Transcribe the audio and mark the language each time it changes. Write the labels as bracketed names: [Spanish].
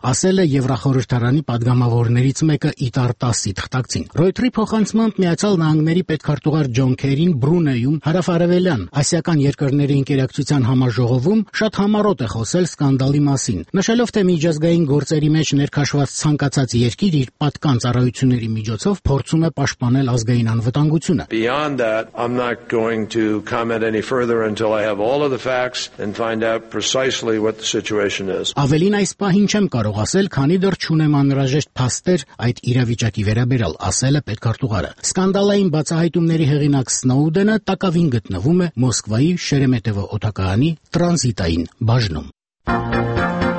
[Armenian] ասել է Եվրախորհրդարանի պատգամավորներից մեկը Իտար Տասի թղթակցին։ Ռոյթրի փոխանցմամբ Միացյալ Նահանգների պետքարտուղար Ջոն Քերին Բրունեյում հարավարևելյան ասիական երկրների ինտերակցիան համաժողովում շատ համառոտ է խոսել սկանդալի մասին, նշելով, թե միջազգային գործերի մեջ ներքաշված ցանկացած երկիր իր պատկան ծառայությունների միջոցով փորձում է պաշտպանել ազգային անվտանգությունը։ [English] Beyond that, I'm not going to comment any further until I have all of the facts and find out precisely what the situation is. [Armenian] Ավելին այս պահին չեմ կարող ասել, քանի դեռ չունեմ անհրաժեշտ փաստեր այդ իրավիճակի վերաբերյալ, ասել է պետքարտուղարը։ Սկանդալային բացահայտումների հեղինակ Սնոուդենը տակավին գտնվում է Մոսկվայի Շերեմետևո օդակայանի տրանզիտային բաժնում։